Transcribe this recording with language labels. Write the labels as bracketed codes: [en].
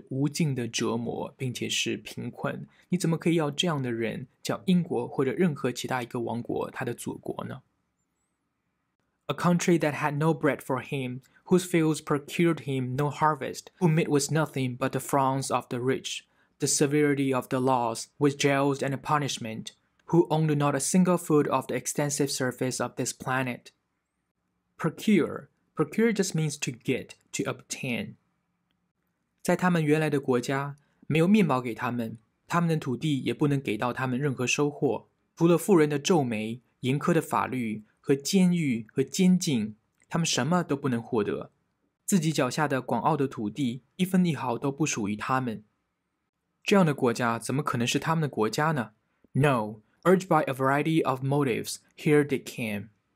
[zh] 他的生活是无尽的折磨，并且是贫困.你怎么可以要这样的人叫英国或者任何其他一个王国他的祖国呢? [en] A country that had no bread for him, whose fields procured him no harvest, who met with nothing but the frowns of the rich, the severity of the laws, with jails and punishment, who owned not a single foot of the extensive surface of this planet. Procure. Procure just means to get, to obtain. [zh] 在他们原来的国家,没有面包给他们,他们的土地也不能给到他们任何收获,除了富人的皱眉,严苛的法律, 和监狱和监禁,他们什么都不能获得。自己脚下的广袤的土地,一分一毫都不属于他们。这样的国家怎么可能是他们的国家呢? [en] No, urged by a variety of motives, here they came.